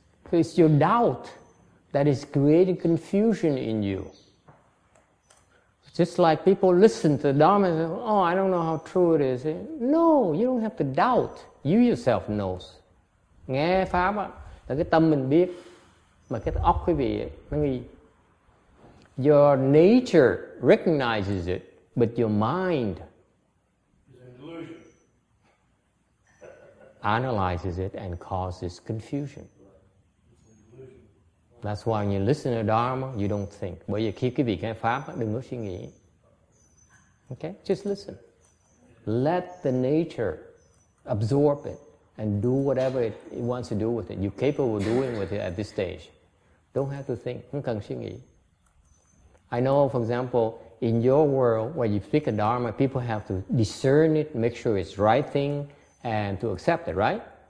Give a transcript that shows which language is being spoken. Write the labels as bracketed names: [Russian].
[English] So it's your doubt that is creating confusion in you. Just like people listen to the Dharma and say, oh, I don't know how true it is. No, you don't have to doubt. You yourself knows. [Vietnamese] Nghe pháp á, là cái tâm mình biết, mà cái óc quý vị ấy, nó nghi. [English] Your nature recognizes it, but your mind is an illusion. analyzes it and causes confusion. That's why when you listen to Dharma, you don't think. [Vietnamese] Bởi vì khi quý vị nghe Pháp, đừng có suy nghĩ. [English] Okay? Just listen. Let the nature absorb it and do whatever it wants to do with it. You're capable of doing with it at this stage. Don't have to think. [Vietnamese] Không cần suy nghĩ. [English] I know, for example, in your world, when you speak a Dharma, people have to discern it, make sure it's the right thing, and to accept it, right?